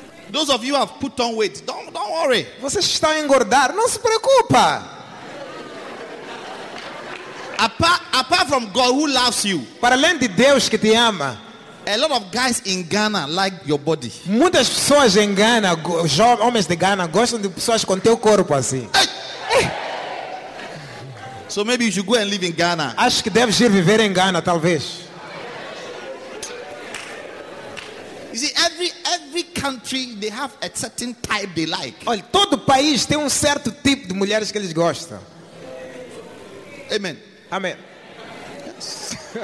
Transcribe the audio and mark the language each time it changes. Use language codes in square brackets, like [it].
[en] Those of you have put on weight, don't worry. [pt] Vocês estão a engordar, não se preocupa. [en] Apart from God who loves you, [pt] para além de Deus que te ama, [en] A lot of guys in Ghana like your body. [pt] Muitas pessoas em Ghana, homens de Ghana, gostam de pessoas com teu corpo assim. [en] So maybe you should go and live in Ghana. [pt] Acho que deves ir viver em Ghana, talvez. [en] You see, every country they have a certain type they like. [pt] Olha, todo país tem certo tipo de mulheres que eles gostam. [en] Amen. [pt] Amen. [en] Yes.